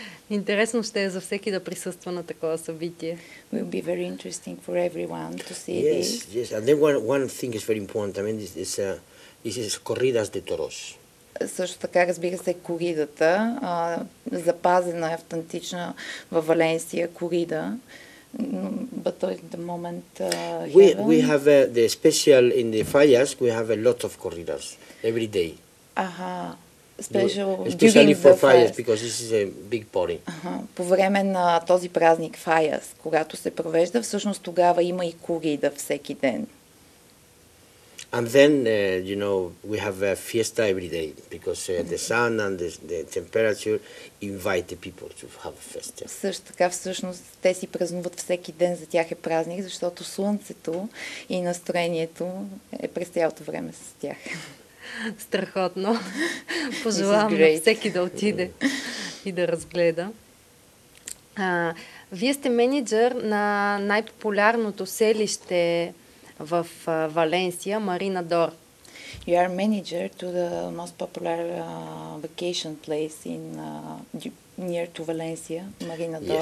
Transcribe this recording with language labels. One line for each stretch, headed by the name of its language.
Bulgarian: Интересно ще е за всеки да присъства на такова събитие.
English: Will be very interesting for everyone to see this. Yes, yes. And then one thing is very important. I mean, this is corridas de toros.
Bulgarian: Също така, разбира се, коридата, запазена е автентична във Валенсия корида.
English: But at the moment we have the special in the fires, we have a lot of corridas every day. Aha. Special especially for fires because this is a big party. Aha.
Bulgarian: По време на този празник fires, когато се провежда, всъщност тогава има и корида всеки ден.
English: And then we have a fiesta every day because the sun and the temperature invite the people to have a fest.
Bulgarian: Също така всъщност те си празнуват всеки ден, за тях е празник, защото слънцето и настроението е през цялото време с тях. Страхотно. Пожелавам всеки да отиде и да разгледа. Вие сте менеджер на най-популярното селище в Валенсия, Марина Дор.
English: You are manager to the most popular vacation place in near to Valencia, Marina Dor.